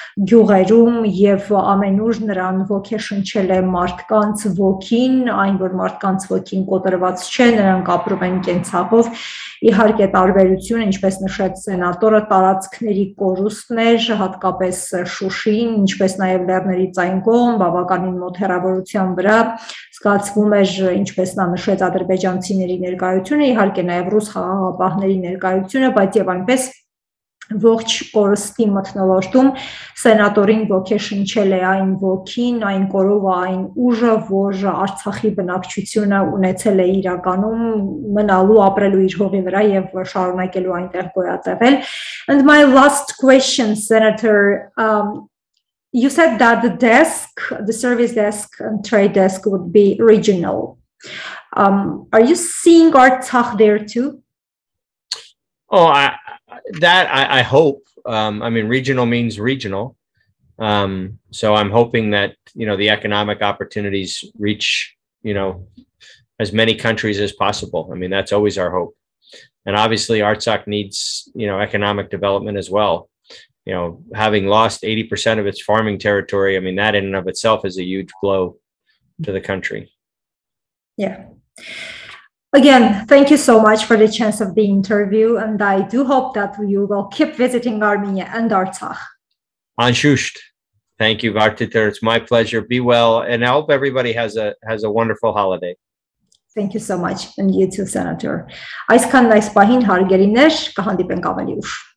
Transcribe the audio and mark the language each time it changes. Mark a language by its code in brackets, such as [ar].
[hy] գյուղերում, և ամենուր նրան ոգեշնչել է մարդկանց ոգին, այն, որ մարդկանց ոգին կոտրված չէ, նրանք ապրում են կենցաղով, իհարկե տարբերություն, ինչպես նշեց սենատորը, տարածքների կորուստներ, հատկապես Շուշին, ինչպես նաև լեռների ծայնգոմ, բավականին մոտ հեռավորության վրա զգացվում է, ինչպես նա նշեց, ադրբեջանցիների ներկայությունը, իհարկե նաև ռուս խաղաղապահների ներկայությունը, բայց եւ այնպես ողջ կորստի մթնոլորտում սենատորին ոգեշնչել է այն ոգին, այն կորովը, այն ուժը, որ Արցախի բնակչությունը ունեցել է իրականում մնալու, ապրելու իր հողի վրա եւ շարունակելու այնտեղ գոյատևել. [en] And my last question, Senator, you said that the desk, the service desk and trade desk would be regional. Are you seeing Artsakh there too? Oh, I hope. I mean, regional means regional. So I'm hoping that, you know, the economic opportunities reach, you know, as many countries as possible. I mean, that's always our hope. And obviously Artsakh needs, you know, economic development as well. You know, having lost 80% of its farming territory, I mean, that in and of itself is a huge blow to the country. Yeah. Again, thank you so much for the chance of the interview. And I do hope that you will keep visiting Armenia and Artsakh. Anshusht. Thank you, Vartitar. It's my pleasure. Be well. And I hope everybody has a wonderful holiday. Thank you so much. And you too, Senator. [hy] Այսքան այս պահին հարգելիներ, կհանդիպենք ավելի ուշ.